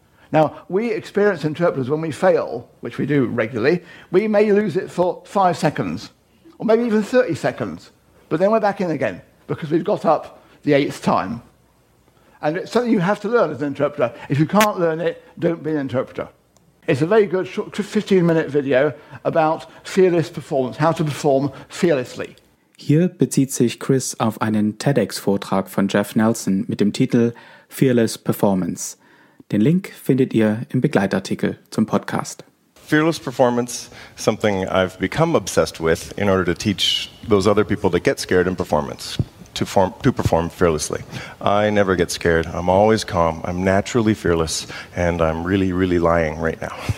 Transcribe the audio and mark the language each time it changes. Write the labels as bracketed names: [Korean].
[English] Now, we experience interpreters when we fail, which we do regularly, we may lose it for 5 seconds, or maybe even 30 seconds, but then we're back in again, because we've got up the eighth time. And it's something you have to learn as an interpreter. If you can't learn it, don't be an interpreter. It's a very good short 15-minute video about fearless performance, how to perform fearlessly. [German] Hier bezieht sich Chris auf einen TEDx-Vortrag von Jeff Nelson mit dem Titel Fearless Performance. Den Link findet ihr im Begleitartikel zum Podcast. [English] Fearless performance, something I've become obsessed with in order to teach those other people that get scared in performance to perform fearlessly. I never get scared. I'm always calm. I'm naturally fearless, and I'm really, really lying right now.